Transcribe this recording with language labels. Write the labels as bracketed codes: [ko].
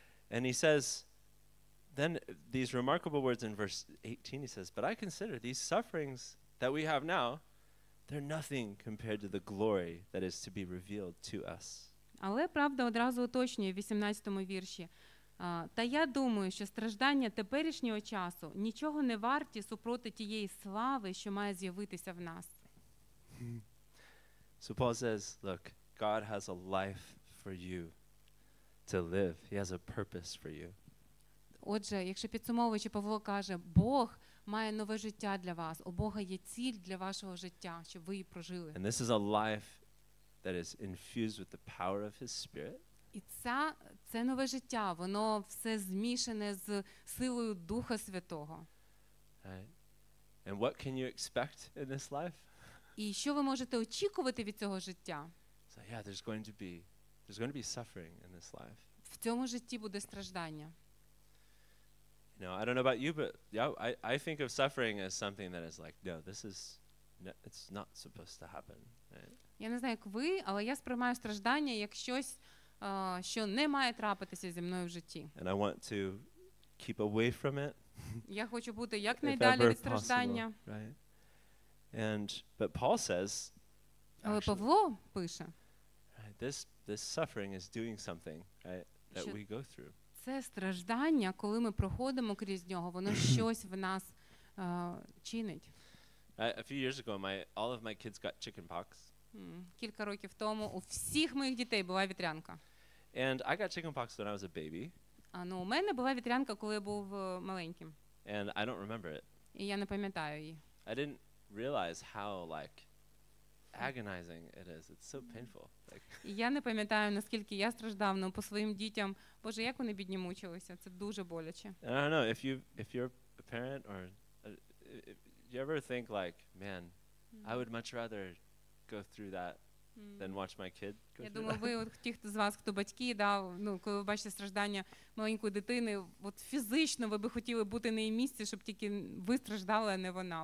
[en] And he says, then these remarkable words in verse 18, he says, but I consider these sufferings that we have now, they're nothing compared to the glory that is to be revealed to us. [uk] Але правда одразу уточнює в 18-му вірші. Та я думаю, що страждання теперішнього часу нічого не варті супроти тієї слави, що має з'явитися в нас. [en] So Paul says, look, God has a life for you to live. He has a purpose for you. [uk] Отже, якщо підсумовуючи, Павло каже, Бог має нове життя для вас, у Бога є ціль для вашого життя, щоб ви її прожили. [en] And this is a life that is infused with the power of his spirit. [uk] І це нове життя, воно все змішане з силою Духа Святого. [en] And what can you expect in this life? [uk] І що ви можете очікувати від цього життя? [en] So yeah, there's going to be suffering in this life. [uk] В цьому житті буде страждання. [en] You know, I don't know about you, but yeah, I think of suffering as something that is like, no, this is no, it's not supposed to happen. Right? [uk] Я не знаю, як ви, але я сприймаю страждання як щось, що не має трапитися зі мною в житті. [en] And I want to keep away from it. [uk] Я хочу бути якнайдалі від страждання. [en] Right? And but Paul says, [uk] але Павло пише, [en] this suffering is doing something, right, that we go through. [uk] Це страждання, коли ми проходимо крізь нього, воно щось в нас чинить. [en] A few years ago, all of my kids got chicken pox. [uk] Кілька років тому у всіх моїх дітей була вітрянка. [en] And I got chicken pox when I was a baby. [uk] У мене була вітрянка, коли я був маленьким. [en] And I don't remember it. [uk] І я не пам'ятаю її. [en] I didn't realize how like agonizing it is. It's so painful. [uk] Я не пам'ятаю, наскільки я страждав, но по своїм дітям, Боже, як вони бідні мучилися. Це дуже боляче. [en] I don't know, if you're a parent or if you ever think like, man, I would much rather go through that than watch my kid go through that. [uk] Я думаю, ви, ті, хто з вас, хто батьки, коли ви бачите страждання маленької дитини, от фізично ви би хотіли бути на її місці, щоб тільки ви страждали, а не вона.